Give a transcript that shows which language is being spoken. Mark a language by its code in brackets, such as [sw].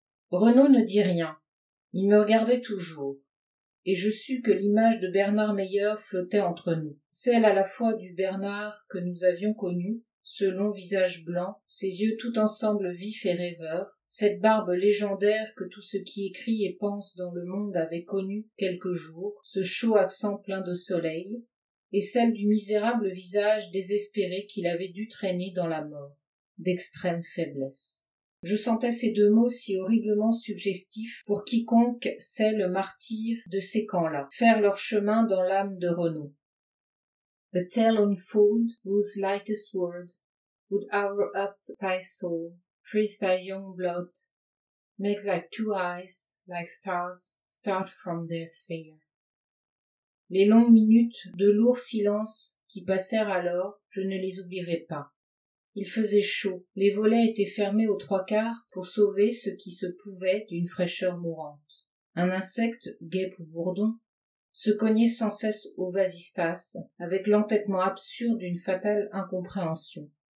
[fr] Renaud ne dit rien. Il me regardait toujours. Et je sus que l'image de Bernard Meilleur flottait entre nous, celle à la fois du Bernard que nous avions connu, ce long visage blanc, ses yeux tout ensemble vifs et rêveurs, cette barbe légendaire que tout ce qui écrit et pense dans le monde avait connue quelques jours, ce chaud accent plein de soleil, et celle du misérable visage désespéré qu'il avait dû traîner dans la mort, d'extrême faiblesse. Je sentais ces deux mots si horriblement suggestifs pour quiconque sait le martyr de ces camps-là, faire leur chemin dans l'âme de Renaud. [en] A tale unfold whose lightest word would hour up thy soul, freeze thy young blood, make thy two eyes, like stars, start from their sphere. [fr] Les longues minutes de lourd silence qui passèrent alors, je ne les oublierai pas. Il faisait chaud, les volets étaient fermés aux trois quarts pour sauver ce qui se pouvait d'une fraîcheur mourante. Un insecte, guêpe ou bourdon, se cognait sans cesse au vasistas, avec l'entêtement absurde d'une fatale incompréhension.